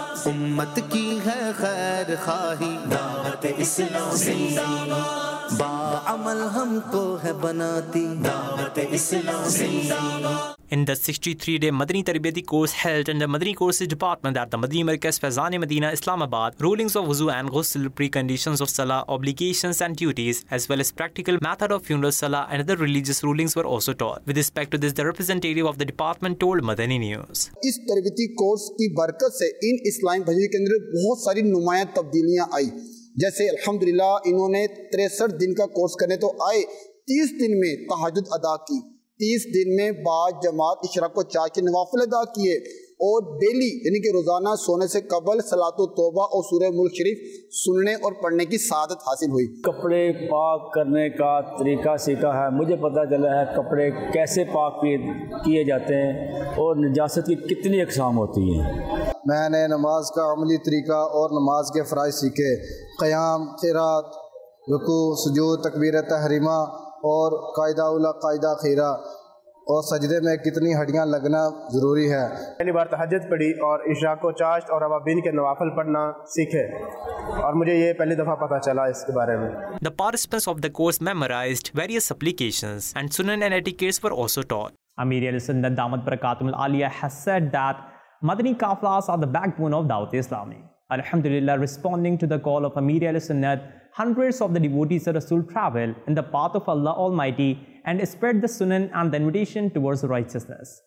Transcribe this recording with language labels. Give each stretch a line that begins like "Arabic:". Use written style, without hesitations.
Urdu: امت کی ہے خیر خواہی دعوت اسلام زندہ باد با عمل ہم کو ہے بناتی دعوت اسلام زندہ باد
English: In the 63-day Madani Tarbiyati course held under Madani Courses Department at the Madani Markaz Faizan-e-Medina Islamabad, rulings of wuzu and ghusl, preconditions of salah, obligations and duties, as well as practical method of funeral salah and other religious rulings were also taught. With respect to this, the representative of the department told Madani News.
Urdu: اس تربیتی course کی برکت سے ان اسلامی بھجن کے اندر بہت ساری نمایاں تبدیلیاں آئیں جیسے الحمدللہ انہوں نے 63 دن کا کورس کرنے تو آئے 30 دن میں تہجد ادا کی 30 دن میں بعض جماعت اشراق و چائے کے نوافل ادا کیے اور ڈیلی یعنی کہ روزانہ سونے سے قبل صلاۃ و توبہ اور سورہ ملک شریف سننے اور پڑھنے کی سعادت حاصل ہوئی. کپڑے پاک کرنے کا طریقہ سیکھا ہے, مجھے پتہ چلا ہے کپڑے کیسے پاک کیے جاتے ہیں اور نجاست کی کتنی اقسام ہوتی ہیں. میں نے نماز کا عملی طریقہ اور نماز کے فرائض سیکھے, قیام, قرات, رکوع, سجود, تکبیر تحریمہ اور قاعدہ اولی قاعدہ اخیرہ, اور سجدے میں کتنی ہڈیاں لگنا ضروری ہے. پہلی بار تہجد پڑھی اور عشاء کو چاشت اور عوابین کے نوافل پڑھنا سیکھے اور مجھے یہ پہلی دفعہ پتہ چلا اس کے بارے میں.
English: The participants of the course memorized various applications and sunan and etiquettes were also taught. Amir Al-Sindan Damat Barakatum Al-Aliya has said that Madani kaflas are the backbone of Dawat Islami. Alhamdulillah, responding to the call of Amir Al-Sindan, hundreds of the devotees of Rasul travel in the path of Allah Almighty and spread the sunan and the invitation towards righteousness.